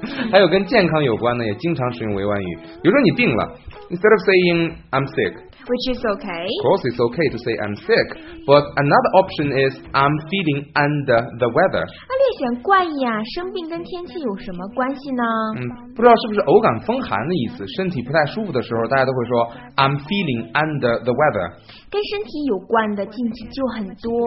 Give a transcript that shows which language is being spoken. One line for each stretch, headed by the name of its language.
Chinese: 还有跟健康有关的也经常使用委婉语。比如说你病了
English: ,instead of saying I'm sick, Which is okay. Of course, it's okay to say I'm sick. But another option is I'm feeling under the weather.
Chinese: 那略显怪异啊，生病跟天气有什么关系呢？不知道是不是偶感风寒的意思，身体不太舒服的时候，大家都会说
English: I'm feeling under the weather.
Chinese: 跟身体有关的近期就很多。